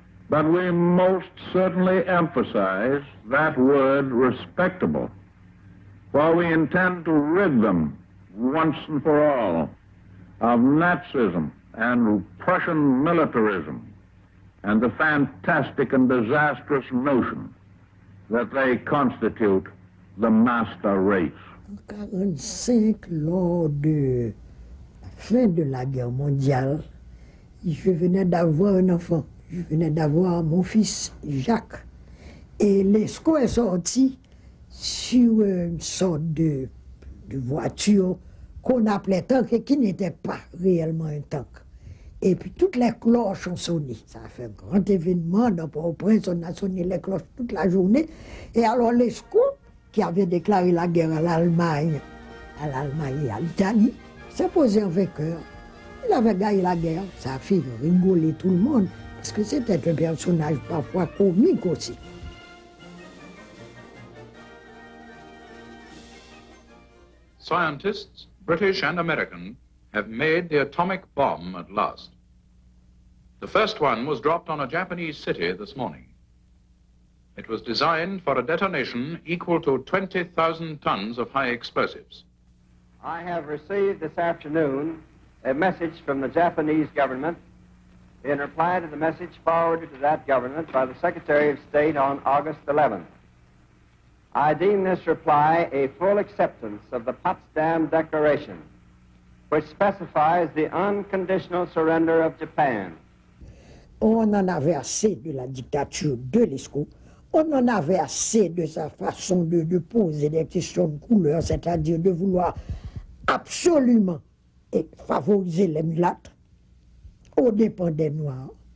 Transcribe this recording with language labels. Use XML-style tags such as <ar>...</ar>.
<en>But we most certainly emphasize that word respectable, for we intend to rid them once and for all of Nazism and Prussian militarism and the fantastic and disastrous notion that they constitute the master race.</en> <fr>En 1945, lors de la fin de la guerre mondiale, je venais d'avoir un enfant. Je venais d'avoir mon fils Jacques. Et l'ESCO est sorti sur une sorte de voiture qu'on appelait tank et qui n'était pas réellement un tank. Et puis toutes les cloches ont sonné. Ça a fait un grand événement dans Port-au-Prince, on a sonné les cloches toute la journée. Et alors les scouts qui avaient déclaré la guerre à l'Allemagne et à l'Italie, s'est posé en vainqueur. Il avait gagné la guerre, ça a fait rigoler tout le monde, parce que c'était un personnage parfois comique aussi.</fr> <en>Scientists, British and American, have made the atomic bomb at last. The first one was dropped on a Japanese city this morning. It was designed for a detonation equal to 20,000 tons of high explosives. I have received this afternoon a message from the Japanese government in reply to the message forwarded to that government by the Secretary of State on August 11th. I deem this reply a full acceptance of the Potsdam Declaration, which specifies the unconditional surrender of Japan.</en> <fr>On en avait assez de la dictature de Lescaut. On en avait assez de sa façon de poser des questions de couleur, c'est-à-dire de vouloir absolument et favoriser les mulâtres aux dépens des Noirs.</fr>